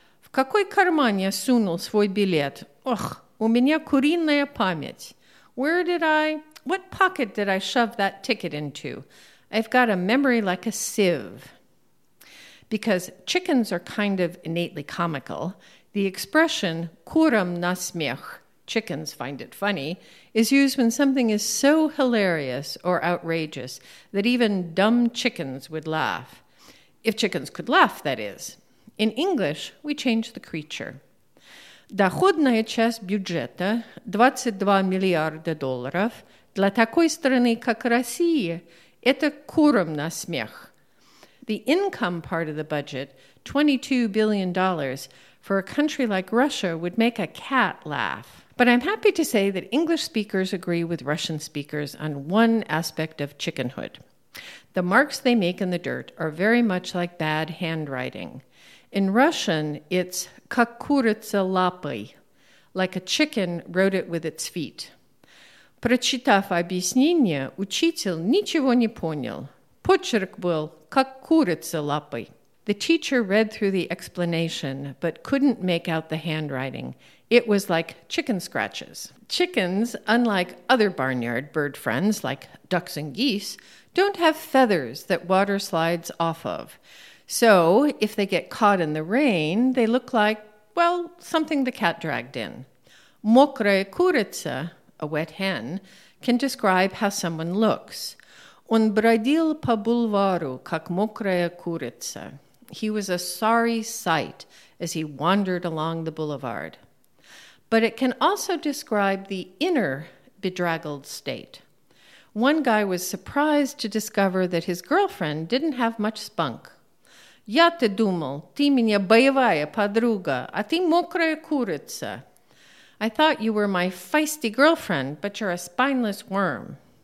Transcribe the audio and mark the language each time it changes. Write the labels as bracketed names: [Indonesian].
[Russian] В какой карман я сунул свой билет? Ох, у меня куриная память. [English] Where did I? What pocket did I shove that ticket into? I've got a memory like a sieve. Because chickens are kind of innately comical, the expression [Russian] курам на смех, [English] chickens find it funny, is used when something is so hilarious or outrageous that even dumb chickens would laugh. If chickens could laugh, that is. In English, we change the creature. [Russian] Доходная часть бюджета – 22 миллиарда долларов. Для такой страны, как Россия, это курам на смех. [English] The income part of the budget, $22 billion, for a country like Russia would make a cat laugh. But I'm happy to say that English speakers agree with Russian speakers on one aspect of chickenhood. The marks they make in the dirt are very much like bad handwriting. In Russian, it's [Russian] как курица лапой, [English] like a chicken wrote it with its feet. [Russian] Прочитав объяснение, учитель ничего не понял. Почерк был как курица лапой. [English] The teacher read through the explanation, but couldn't make out the handwriting. It was like chicken scratches. Chickens, unlike other barnyard bird friends like ducks and geese, don't have feathers that water slides off of. So, if they get caught in the rain, they look like, well, something the cat dragged in. [Russian] Мокрая курица, [English] a wet hen, can describe how someone looks. [Russian] Он бродил по бульвару, как мокрая курица. [English] He was a sorry sight as he wandered along the boulevard. But it can also describe the inner bedraggled state. One guy was surprised to discover that his girlfriend didn't have much spunk. [Russian] Я ты думал, ты меня боевая подруга, а ты мокрая курица. [English] I thought you were my feisty girlfriend, but you're a spineless worm.